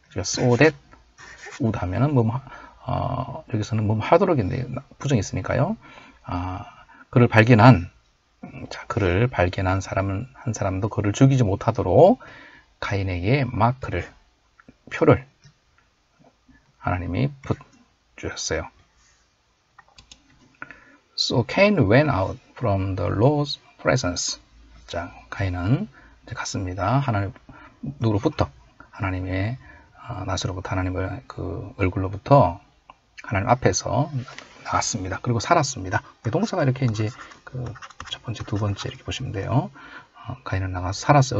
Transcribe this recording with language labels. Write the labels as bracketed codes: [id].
[ko] so that would 하면은 뭐 여기서는 뭐 하도록인데 부정이 있으니까요. 그를 발견한 사람은 한 사람도 그를 죽이지 못하도록 가인에게 마크를 표를 하나님이 붙여주셨어요. [en] So Cain went out from the Lord's presence. [ko] 자, 가인은 이제 갔습니다. 하나님 누구로부터 하나님의 낯으로부터 하나님의 그 얼굴로부터 하나님 앞에서 나왔습니다. 그리고 살았습니다. 동사가 이렇게 이제 그첫 번째, 두 번째 이렇게 보시면 돼요. 가인은 나가서 살았어요.